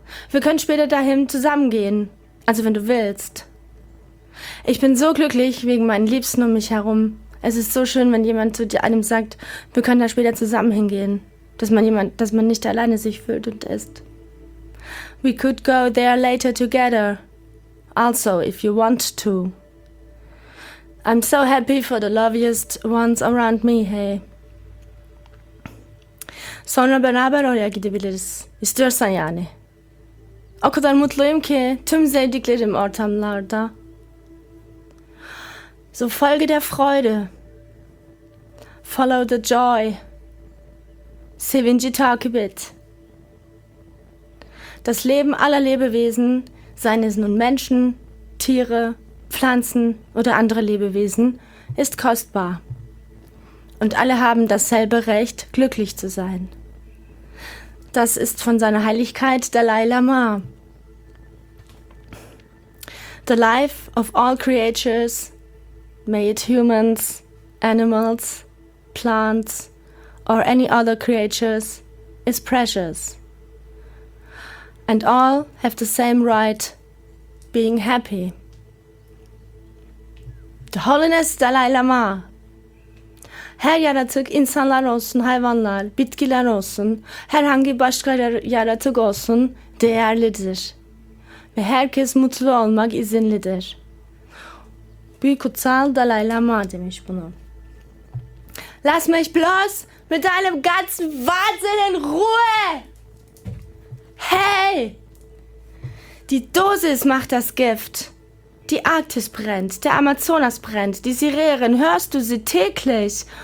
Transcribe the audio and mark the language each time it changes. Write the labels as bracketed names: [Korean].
[German] Wir können später dahin zusammengehen. Also wenn du willst. Ich bin so glücklich wegen meinen Liebsten um mich herum. Es ist so schön, wenn jemand zu dir einem sagt, wir können da später zusammen hingehen. Dass man nicht alleine sich fühlt und ist. [English] We could go there later together. Also, if you want to. I'm so happy for the loveliest ones around me, hey. [Turkish] Sonra beraber oraya gidebiliriz. İstiyorsan yani. O kadar mutluyum ki tüm sevdiklerim ortamlarda. [German] So folge der Freude. [English] Follow the joy. [Turkish] Sevinci takip et. [German] Das Leben aller Lebewesen, seien es nun Menschen, Tiere, Pflanzen oder andere Lebewesen, ist kostbar. Und alle haben dasselbe Recht, glücklich zu sein. Das ist von seiner Heiligkeit Dalai Lama. [English] The life of all creatures, may it humans, animals, plants, or any other creatures, is precious. And all have the same right, being happy. The Holiness Dalai Lama. [Turkish] Her yaratık, insanlar olsun, hayvanlar, bitkiler olsun, herhangi başka yaratık olsun, değerlidir. Ve herkes mutlu olmak izinlidir. Büyük Kutsal Dalai Lama demiş bunu. [German] Lass mich bloß mit deinem ganzen Wahnsinn in Ruhe! Hey! Die Dosis macht das Gift. Die Arktis brennt, der Amazonas brennt, die Sirenen, hörst du sie täglich?